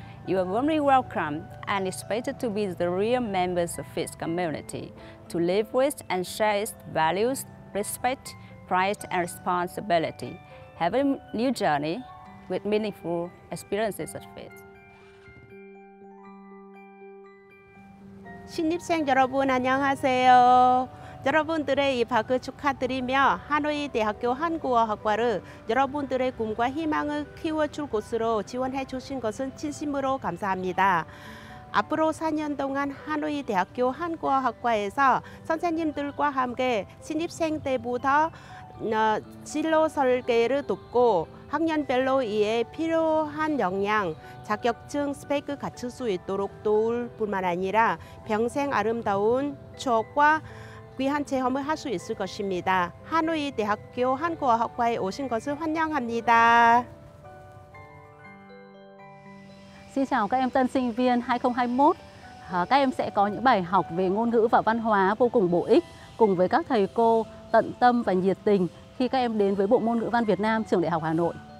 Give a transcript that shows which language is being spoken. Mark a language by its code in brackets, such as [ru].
[en] You are warmly welcome and expected to be the real members of FIST community, to live with and share its values, respect, pride, and responsibility. Have a new journey with meaningful experiences at FIST. [ko] 신입생 여러분, 안녕하세요. 여러분들의 입학을 축하드리며 하노이 대학교 한국어학과를 여러분들의 꿈과 희망을 키워줄 곳으로 지원해 주신 것은 진심으로 감사합니다. 앞으로 4년 동안 하노이 대학교 한국어학과에서 선생님들과 함께 신입생 때부터 진로 설계를 돕고 학년별로 이에 필요한 역량, 자격증 스펙을 갖출 수 있도록 도울 뿐만 아니라 평생 아름다운 추억과 귀한 체험을 할 수 있을 것입니다. 하노이 대학교 한국어학과에 오신 것을 환영합니다. [vi] Xin chào các em tân sinh viên 2021. Các em sẽ có những bài học về ngôn ngữ và văn hóa vô cùng bổ ích cùng với các thầy cô tận tâm và nhiệt tình khi các em đến với Bộ Môn Ngữ Văn Việt Nam, Trường Đại học Hà Nội.